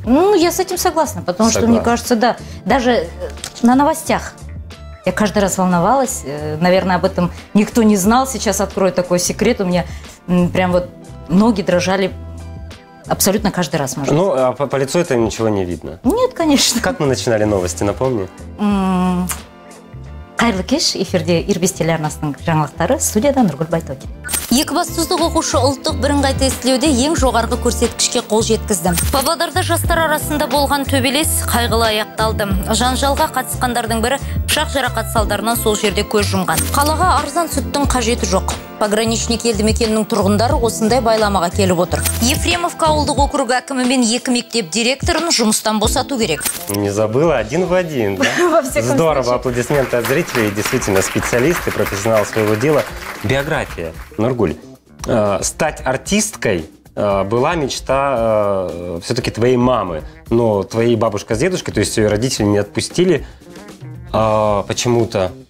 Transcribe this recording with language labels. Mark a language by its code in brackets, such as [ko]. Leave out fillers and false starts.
[ru] Ну, я с этим согласна, потому что мне кажется, да, даже на новостях я каждый раз волновалась. Наверное, об этом никто не знал. Сейчас открою такой секрет. У меня прям вот ноги дрожали абсолютно каждый раз. Может. Ну, а по лицу это ничего не видно? Нет, конечно. Как мы начинали новости, напомни? [kk] Қайырлы кеш, эфирде Ирбис телеарнасының жаңалықтары, студияда Нургуль Байтокин. 2-баспасөз оқушы ұлттық бірыңғай тестілеуде ең жоғарғы көрсеткішке қол жеткізді. Павлодарда жастар арасында болған төбелес қайғылы аяқталды. Жанжалға қатысқандардың бірі пышақ жарақат салдарынан сол жерде көз жұмған. Қалаға арзан сүттің қажеті жоқ. Пограничник елді мекенінің тұрғындары осындай байламаға келіп отыр. Ефремовка ауылдық округі әкімі мен екі мектеп директорын жұмыстан босату керек. [ru] Не забыла, один в один, да? Во всяком случае. Здорово, аплодисменты от зрителей, действительно специалисты, профессионалы своего дела. Биография. Нургуль, стать артисткой была мечта все-таки твоей мамы, но твои бабушка с дедушкой, то есть ее родители не отпустили почему-то.